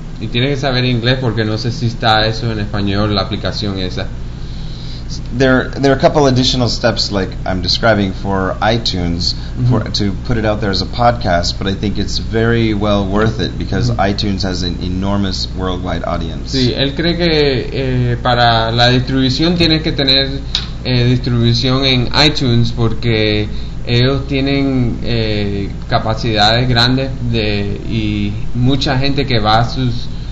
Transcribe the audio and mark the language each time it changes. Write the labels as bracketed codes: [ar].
[es] Y tienes que saber inglés porque no sé si está eso en español la aplicación esa. [en] There are a couple additional steps like I'm describing for iTunes, mm-hmm. for to put it out there as a podcast, but I think it's very well worth it because mm-hmm. iTunes has an enormous worldwide audience. [es] Sí, él cree que para la distribución tienes que tener distribución en iTunes porque ellos tienen capacidades grandes de y mucha gente que va a sus